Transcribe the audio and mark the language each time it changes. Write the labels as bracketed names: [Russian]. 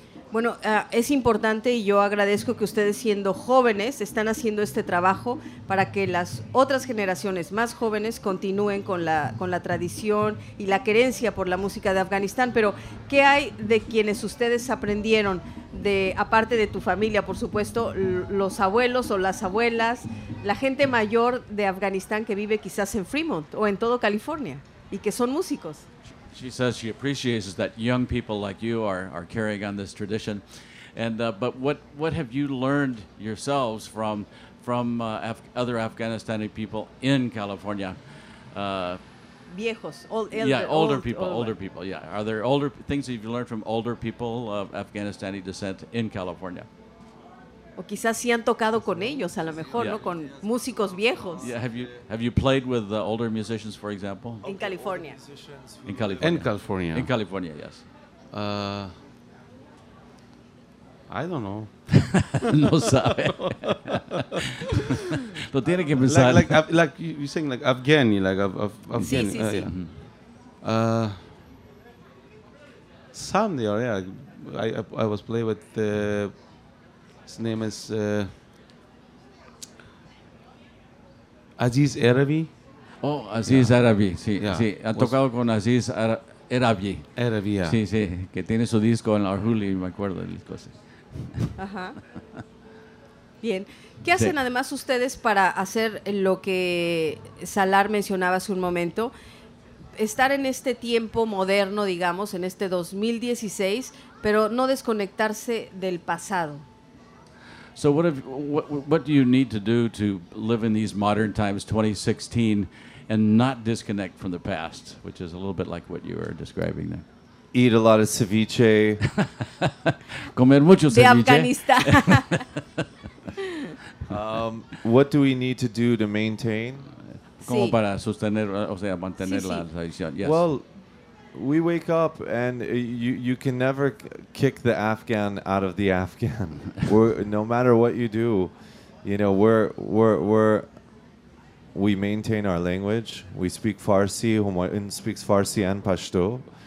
[Spanish] Bueno, es importante y yo agradezco que ustedes, siendo jóvenes, están haciendo este trabajo para que las otras generaciones más jóvenes continúen con la tradición y la querencia por la música de Afganistán. Pero, ¿qué hay de quienes ustedes aprendieron, de aparte de tu familia, por supuesto, los abuelos o las abuelas, la gente mayor de Afganistán que vive quizás en Fremont o en todo California y que son músicos? [English] She says she appreciates that young people like you are carrying on this tradition, but what have you learned yourselves from other Afghanistani people in California? [Spanish] Viejos, [English] older people. Yeah, are there older things that you've learned from older people of Afghanistani descent in California? [Spanish] O quizás sí han tocado con ellos, a lo mejor, yeah. ¿No? Con músicos viejos. [English] Yeah, have you played with the older musicians, for example? In California. In California. In California. In California, yes. I don't know. [Spanish] No sabe. Lo tiene que pensar. [English] Like you're saying, like Afghani, like Afghani. [Spanish] Sí, sí, sí. [English] Some they are, yeah. I was playing with the... His name is Aziz Arabi. [Spanish] Oh, Aziz Arabi, sí. Yeah. Sí. Ha tocado con Aziz Arabi. [English] Arabi, yeah. [Spanish] Sí, sí, que tiene su disco en la Arjuli, me acuerdo del disco. Ajá. Bien. ¿Qué hacen además ustedes para hacer lo que Salar mencionaba hace un momento? Estar en este tiempo moderno, digamos, en este 2016, pero no desconectarse del pasado. [English] So what do you need to do to live in these modern times, 2016, and not disconnect from the past, which is a little bit like what you were describing there? Eat a lot of ceviche. [Spanish] Comer mucho ceviche. De Afganistán. [English] What do we need to do to maintain? [Spanish] Como para sostener, o sea, mantener la tradición. [English] Yes. Well, we wake up and you can never kick the Afghan out of the Afghan. No matter what you do, you know, we maintain our language. We speak Farsi, Humayun speaks Farsi and Pashto.